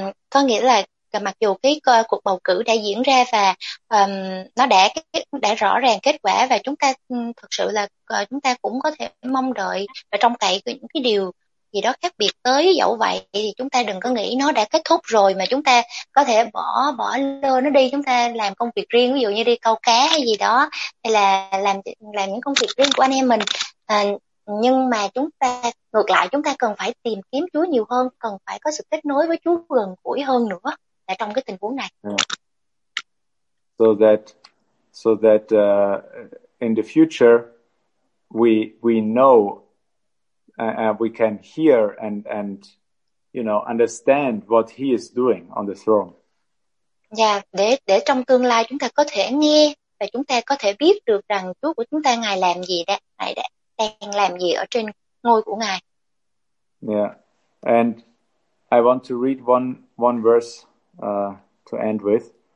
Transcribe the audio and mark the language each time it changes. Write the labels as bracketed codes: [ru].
[vi] Có nghĩa là mặc dù cái cuộc bầu cử đã diễn ra và nó đã rõ ràng kết quả và chúng ta thực sự là chúng ta cũng có thể mong đợi và trông cậy những cái điều gì đó khác biệt tới, dẫu vậy thì chúng ta đừng có nghĩ nó đã kết thúc rồi mà chúng ta có thể bỏ lơ nó đi, chúng ta làm công việc riêng, ví dụ như đi câu cá hay gì đó, hay là làm những công việc riêng của anh em mình. Nhưng mà chúng ta ngược lại, chúng ta cần phải tìm kiếm Chúa nhiều hơn, cần phải có sự kết nối với Chúa gần gũi hơn nữa là trong cái tình huống này. [en] So that in the future we know and we can hear and understand what he is doing on the throne. [vi] Yeah, để trong tương lai chúng ta có thể nghe và chúng ta có thể biết được rằng Chúa của chúng ta ngài làm gì đã, ngài đang làm gì ở trên ngôi của ngài. Yeah. [en] And I want to read one verse to end with.